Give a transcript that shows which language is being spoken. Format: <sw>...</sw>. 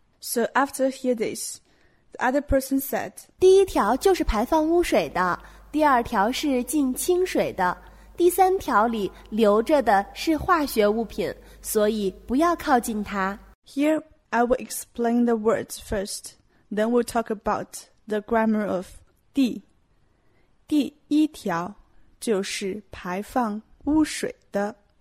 <en>So after hear this, the other person said,</en> <zh>第一条就是排放污水的，第二条是进清水的，第三条里留着的是化学物品，所以不要靠近它。</zh> <en>Here I will explain the words first, then we'll talk about the grammar of 第。</en> <zh>第一条就是排放污水的。</zh>